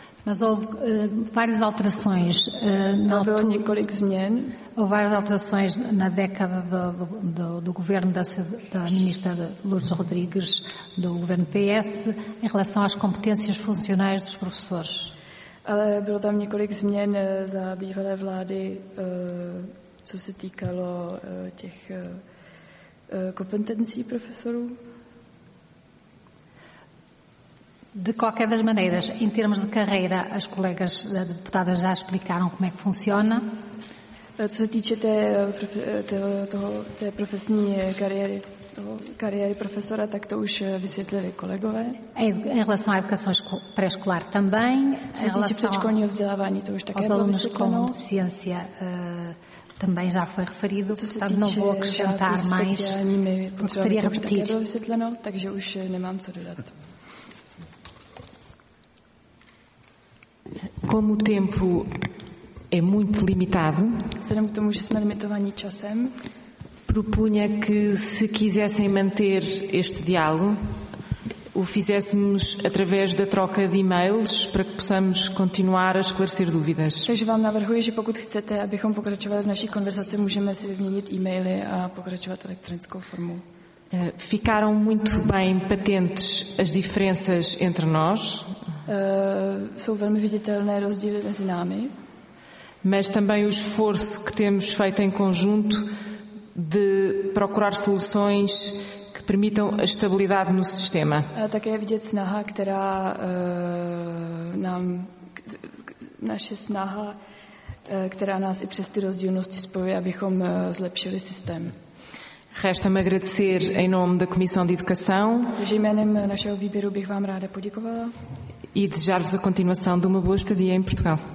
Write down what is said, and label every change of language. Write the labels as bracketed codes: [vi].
[pt] Mas houve várias alterações. [cs] Bylo několik změn. [pt] Houve várias alterações na década do governo da ministra Lourdes Rodrigues, do governo PS, em relação às competências funcionais dos professores. [cs] Ale bylo tam několik změn za bývalé vlády, co se týkalo těch kompetencí profesorů. [pt] De qualquer das maneiras, em termos de carreira, as colegas deputadas já explicaram como é que funciona. [cs] Co se týče té profesní kariéry, kariéry profesora, tak to už vysvětlili kolegové. [pt] Em relação à educação pré-escolar também. [cs] Co se týče předškolního vzdělávání, to už také bylo vysvětleno. [pt] Aos alunos com deficiência também já foi referido, portanto não vou acrescentar mais, porque seria repetir. [cs] Také bylo vysvětleno, takže už nemám co dodat. [pt] Como o tempo é muito limitado, [cs] vzhledem k tomu, že jsme limitovaní časem, [pt] propunha que se quisessem manter este diálogo, o fizéssemos através da troca de e-mails para que possamos continuar a esclarecer dúvidas. [cs] Takže vám navrhuji, že pokud chcete, abychom pokračovali v naší konverzaci, můžeme si vyměnit e-maily a pokračovat elektronickou formou. [pt] Ficaram muito bem patentes as diferenças entre nós. [cs] Jsou velmi viditelné rozdíly mezi námi. [pt] Mas também o esforço que temos feito em conjunto de procurar soluções que permitam a estabilidade no sistema. [cs] Také je vidět snaha, která nám, naše snaha, která nás i přes ty rozdílnosti spojuje, abychom zlepšili systém. [pt] Resta-me agradecer em nome da Comissão de Educação. [cs] Takže jménem našeho výběru bych vám ráda poděkovala. [pt] E desejar-vos a continuação de uma boa estadia em Portugal.